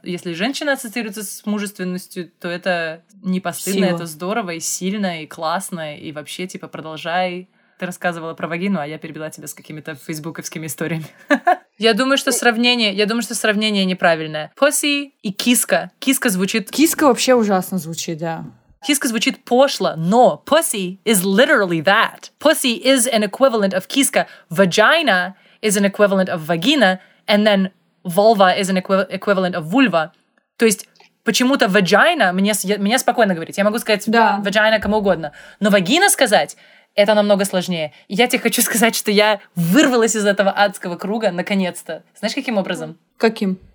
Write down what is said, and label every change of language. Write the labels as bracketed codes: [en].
[ru] Если женщина ассоциируется с мужественностью, то это не постыдно, сила. Это здорово и сильно, и классно, и вообще, типа, продолжай. Ты рассказывала про вагину, а я перебила тебя с какими-то фейсбуковскими историями. Я думаю, что сравнение неправильное. Pussy и киска. Киска звучит... Киска вообще ужасно звучит, да. Киска звучит пошло, [en] но pussy is literally that. Pussy is an equivalent of киска. Vagina is an equivalent of vagina. And then vulva is an equivalent of vulva. [ru] То есть почему-то vagina... Мне спокойно говорить. Я могу сказать да. Vagina кому угодно. Но vagina сказать... Это намного сложнее. Я тебе хочу сказать, что я вырвалась из этого адского круга наконец-то. Знаешь, каким образом? Каким?